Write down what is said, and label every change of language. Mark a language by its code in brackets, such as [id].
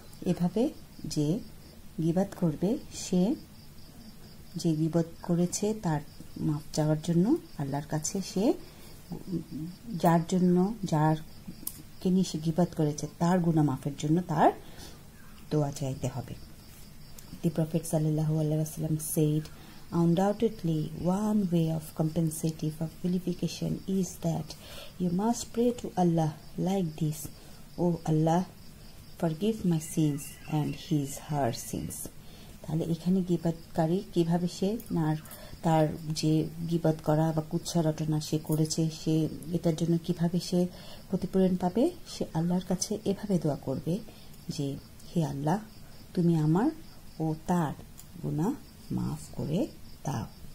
[bn] এভাবে যে গীবত করবে, সে যে গীবত করেছে তার মাফ চাওয়ার জন্য আল্লাহর কাছে, সে যার জন্য, যারকে নিয়ে সে গীবত করেছে তার গুনাহ মাফের জন্য তার দোয়া চাইতে হবে। [en] The prophet সাল্লাল্লাহু আলাইহি ওয়াসাল্লাম said, Undoubtedly, one way of compensative of vilification is that you must pray to Allah like this, O Allah, forgive my sins and his, her sins. [bn] তাহলে এখানে গীবতকারী কীভাবে সে নার তার যে গীবত করা বা কুৎসা রটনা সে করেছে সে এটার জন্য কীভাবে সে ক্ষতিপূরণ পাবে, সে আল্লাহর কাছে এভাবে দোয়া করবে যে হে আল্লাহ, তুমি আমার ও তার গুনাহ মাফ করে দাও।